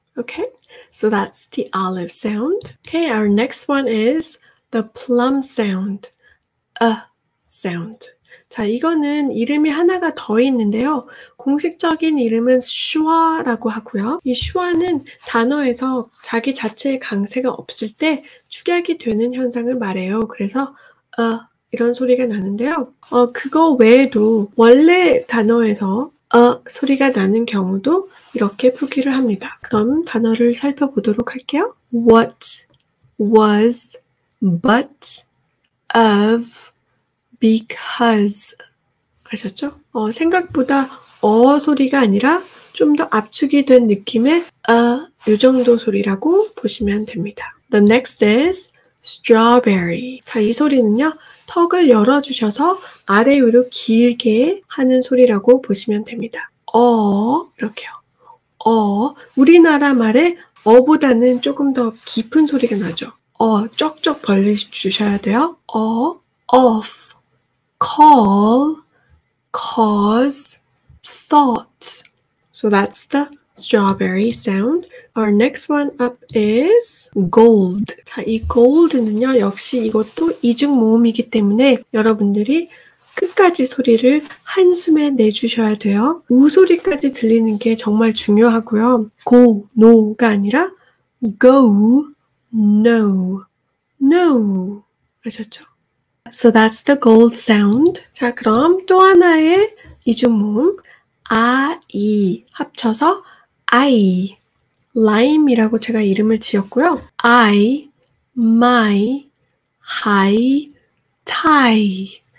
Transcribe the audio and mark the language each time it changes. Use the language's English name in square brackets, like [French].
[English] Okay, so that's the olive sound. Okay, our next one is the plum sound. A sound. [Korean] 자, 이거는 이름이 하나가 더 있는데요. 공식적인 이름은 슈아라고 하고요. 이 슈아는 단어에서 자기 자체의 강세가 없을 때 축약이 되는 현상을 말해요. 그래서 a 이런 소리가 나는데요. 그거 외에도 원래 단어에서 소리가 나는 경우도 이렇게 표기를 합니다. 그럼 단어를 살펴보도록 할게요. [English] What was but of because [Korean] 아셨죠? 생각보다 어 소리가 아니라 좀 더 압축이 된 느낌의 이 정도 소리라고 보시면 됩니다. [English] The next is strawberry. [Korean] 자, 이 소리는요. 턱을 열어주셔서 아래 위로 길게 하는 소리라고 보시면 됩니다. 어, 이렇게요. 어, 우리나라 말에 어보다는 조금 더 깊은 소리가 나죠. 어, 쩍쩍 벌려주셔야 돼요. [English] 어, off, call, cause, thought. So that's the strawberry sound. Our next one up is gold. [Korean] 자, 이 gold는요, 역시 이것도 이중 모음이기 때문에 여러분들이 끝까지 소리를 한숨에 내주셔야 돼요. 우 소리까지 들리는 게 정말 중요하고요. [English] go, no가 [Korean] 아니라 [English] go, no, no. [Korean] 아셨죠? [English] So that's the gold sound. [Korean] 자, 그럼 또 하나의 이중 모음. a, e 합쳐서 I, lime이라고 제가 이름을 지었고요. [English] I, my, high, tie.